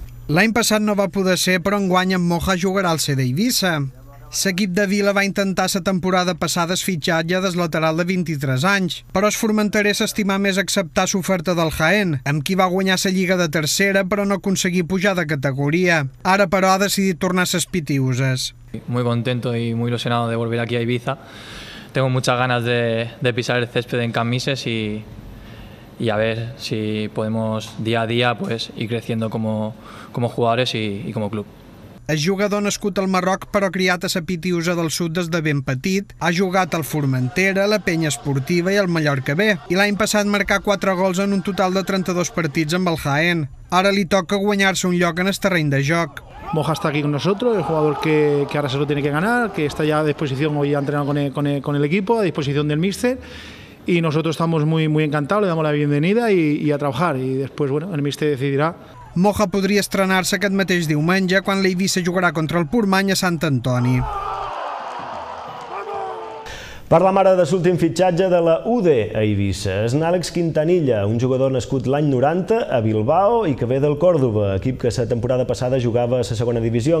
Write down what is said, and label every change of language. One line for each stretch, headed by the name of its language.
Catalan: L'any passat no va poder ser, però enguany en Moja jugarà al CD Eibi. L'equip de Vila va intentar la temporada passada el fitxatge del lateral de 23 anys, però el formenterer s'estimà més acceptar l'oferta del Jaén, amb qui va guanyar la lliga de tercera però no aconseguir pujar de categoria. Ara, però, ha decidit tornar a les Pitiuses.
Spanish: Muy contento y muy ilusionado de volver aquí a Ibiza, tengo muchas ganas de pisar el césped en Camises y a ver si podemos día a día pues ir creciendo como jugadores y como club.
Catalan: És jugador nascut al Marroc, però criat a la Pitiusa del Sud des de ben petit. Ha jugat al Formentera, la Penya Esportiva i el Mallorca B. I l'any passat marcà 4 gols en un total de 32 partits amb el Jaén. Ara li toca guanyar-se un lloc en el terreny de joc.
Spanish: Moja está aquí con nosotros, el jugador que ahora se lo tiene que ganar, que está ya a disposición, hoy ha entrenado con el equipo, a disposición del míster. Y nosotros estamos muy, muy encantados, le damos la bienvenida y a trabajar. Y después, bueno, el míster decidirá.
Catalan: Moja podria estrenar-se aquest mateix diumenge quan l'Eivissa jugarà contra el Portmany a Sant Antoni. Parlem ara de l'últim fitxatge de la UDE a Eivissa. És n'Àlex Quintanilla, un jugador nascut l'any 90 a Bilbao i que ve del Còrdoba, equip que la temporada passada jugava a la segona divisió.